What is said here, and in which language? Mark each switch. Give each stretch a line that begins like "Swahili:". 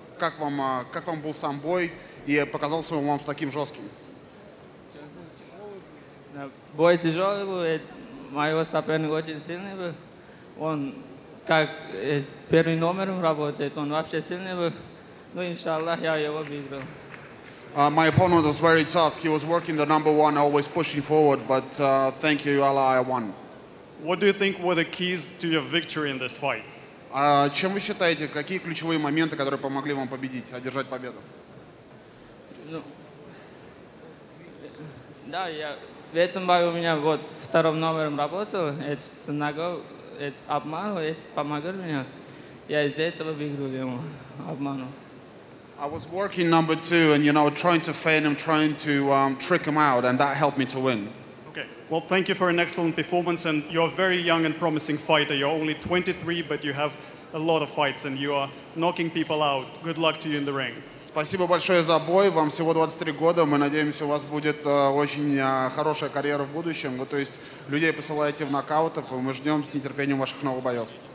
Russian: Как вам был сам бой и показался он вам таким жестким? Бой тяжелый был. Моего соперника очень сильный был. Он как первый номер работает, он вообще сильный был. Ну, иншаллах, я его выиграл.
English: My opponent was very tough. He was working the number one, always pushing forward, but thank you, Allah, I won. What do you think were the keys to your victory in this fight?
Russian: Чем вы считаете, какие ключевые моменты, которые помогли вам победить, одержать победу? Ну, да, я в этом бою у меня вот вторым номером работал. Это ногой, это обман, это помогал мне. Я из-за этого выиграл ему обману.
English: I was working number two and, you know, trying to feign him, trying to trick him out, and that helped me to win. Okay. Well, thank you for an excellent performance, and you're a very young and promising fighter. You're only 23, but you have a lot of fights, and you are knocking people out. Good luck to you in the ring.
Russian: Спасибо большое за бой. Вам всего 23 года. Мы надеемся, у вас будет очень хорошая карьера в будущем. Вы, то есть, людей посылаете в нокаутов, и мы ждем с нетерпением ваших новых боев.